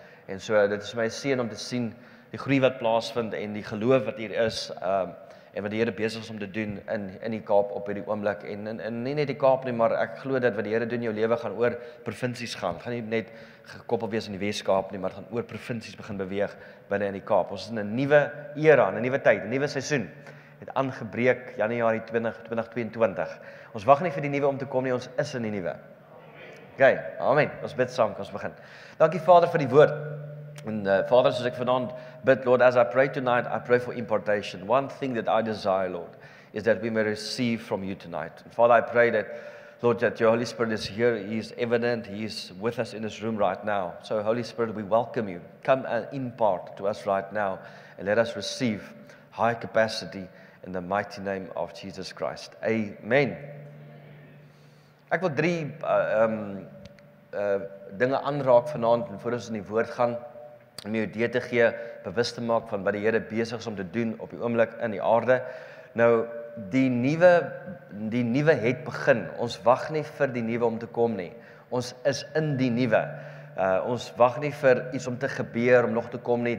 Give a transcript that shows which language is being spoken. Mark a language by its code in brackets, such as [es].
[af] En so dit is my seën om te sien die groei wat plaasvind en die geloof wat hier is, en wat die Here besig is om te doen in die Kaap op hierdie oomblik en in nie net die Kaap nie, maar ek glo dat wat die Here doen in jou lewe gaan oor provinsies gaan. Gaan nie net gekoppel wees aan die Wes-Kaap nie, maar gaan oor provinsies begin beweeg binne in die Kaap. Ons is in 'n nuwe era, 'n nuwe tyd, 'n nuwe seisoen. Het aangebreek Januarie 2022. Ons wag nie vir die nuwe om te kom nie, ons is in die nuwe. OK, amen. Ons bid saam, ons begin. Dankie Vader vir die woord. [en] And Father, as I [af] vanaand bid, [en] Lord, as I pray tonight, I pray for impartation. One thing that I desire, Lord, is that we may receive from you tonight. And Father, I pray that, Lord, that your Holy Spirit is here. He is evident. He is with us in this room right now. So, Holy Spirit, we welcome you. Come and impart to us right now and let us receive high capacity in the mighty name of Jesus Christ. Amen. [af] Ek wil drie dinge aanraak vanaand en voor ons in die woord gaan. Om jou idee te gee, bewus te maak van wat die Here besig is om te doen op die oomblik in die aarde. Nou, die nuwe het begin. Ons wag nie vir die nuwe om te kom nie. Ons is in die nuwe. Ons wag nie vir iets om te gebeur om nog te kom nie.